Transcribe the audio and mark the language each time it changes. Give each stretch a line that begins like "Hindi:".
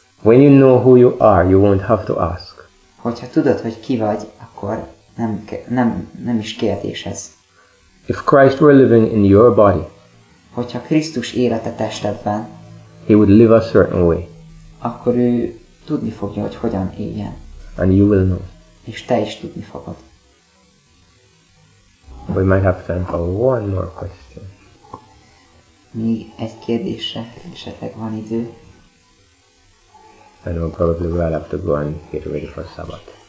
English: When you know who you are, you won't have to ask.
Hungarian: Hogyha tudod, hogy ki vagy, akkor nem is kérdés ez.
English: If Christ were living in your body,
Hungarian: hogyha Krisztus élete testedben,
English: he would live a certain way.
Hungarian: Akkor ő tudni fogja, hogy hogyan éljen.
English: And you will know.
Hungarian: És te is tudni fogod.
English: We might have time for one more question.
Hungarian: Még egy kérdésre esetleg van idő.
English: And we'll probably well have to go and get ready for Sabbath.